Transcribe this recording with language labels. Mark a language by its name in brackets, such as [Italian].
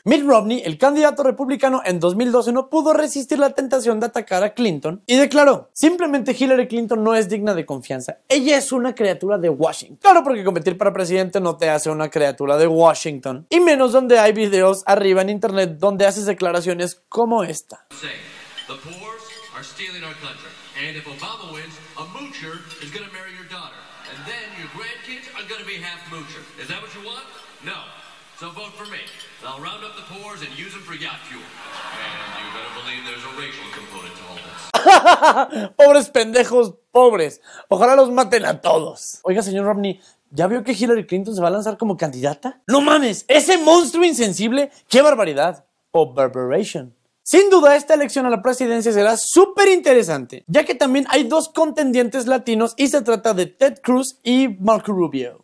[Spanish] Mitt Romney, el candidato republicano en 2012, no pudo resistir la tentación de atacar a Clinton y declaró: simplemente Hillary Clinton no es digna de confianza. Ella es una criatura de Washington. Claro, porque competir para presidente no te hace una criatura de Washington. Y menos donde hay videos arriba en internet donde haces declaraciones como esta. [English] The poor are are stealing our country. And if Obama wins, a moocher is going to marry your daughter. And then your grandkids are going to be half moocher. Is that what you want? No. So vote for me. And I'll round up the pores and use them for yacht fuel. And you better believe there's a racial component to all this. [Spanish] Pobres pendejos, pobres. Ojalá los maten a todos. Oiga, señor Romney, ¿ya vio que Hillary Clinton se va a lanzar como candidata? ¡No mames! ¡Ese monstruo insensible! ¡Qué barbaridad! O barbaration. Sin duda, esta elección a la presidencia será súper interesante, ya que también hay dos contendientes latinos y se trata de Ted Cruz y Marco Rubio.